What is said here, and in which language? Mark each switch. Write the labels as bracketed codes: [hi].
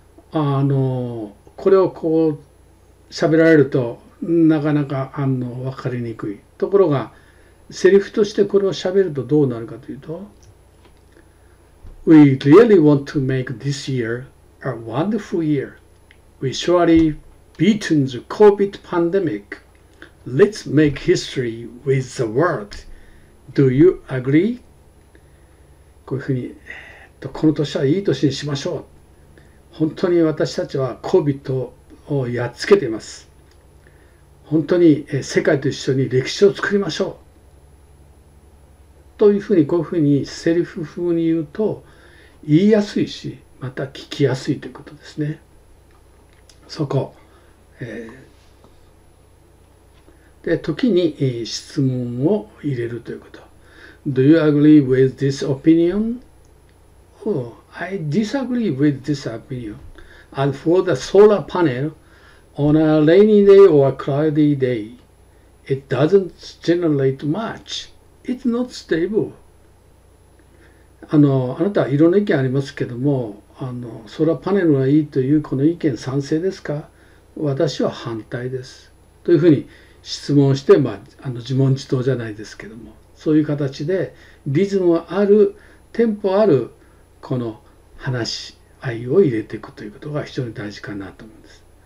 [ja] これをこう喋られるとなかなか分かりにくい。ところがセリフとしてこれを喋るとどうなるかというと、 [en] We really want to make this year a wonderful year. We surely beaten the COVID pandemic. Let's make history with the world. Do you agree? [ja] こういうふうに、この年はいい年にしましょう。本当に私たちは COVID をやっつけています。本当に世界と一緒に歴史を作りましょう。というふうにこういうふうにセリフ風に言うと言いやすいし、また聞きやすいということですね。そこ、で時に質問を入れるということ。 [en] Do you agree with this opinion? Oh, I disagree with this opinion. And for the solar panel, on a rainy day or a cloudy day, it doesn't generate much. It's not stable. [ja] あなたはいろんな意見ありますけども、ソーラーパネルがいいというこの意見賛成ですか？私は反対です。というふうに質問して、まあ、自問自答じゃないですけども、そういう形でリズムある、テンポあるこの話し合いを入れていくということが非常に大事かなと思うんです。